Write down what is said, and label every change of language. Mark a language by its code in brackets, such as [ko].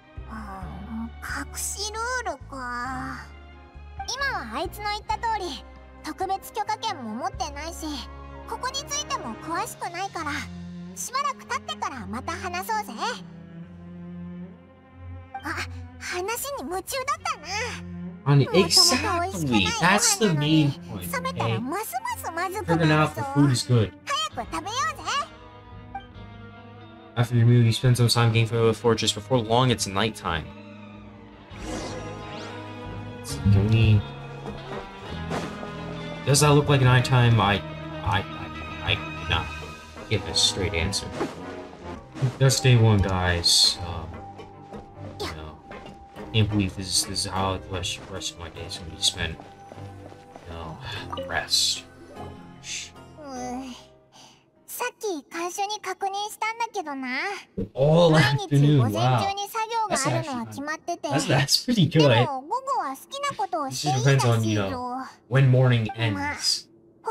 [ja] 隠しルールか。今はあいつの言った通り、特別許可権も持ってないし、ここについても詳しくないから、しばらく経ってからまた話そうぜ。あ、話に夢中だったな。 [en] あの、exactly! That's the main point. [ja] 冷めたらますますまずくなるぞ。早く食べようぜ。 [en] After your meal, you spend some time getting familiar with the fortress. Before long, it's nighttime. Can we... Does that look like nighttime? I cannot give a straight answer. That's day one, guys. Can't believe this is how the rest of my day is going to be spent. Rest. [ja] さっき会社に確認したんだけどな。毎日午前中に作業があるのは決まってて、 [en] that's pretty good. [ja] でも午後は好きなことをしていいらしいぞ。 [en] you know, when morning ends.、まあ、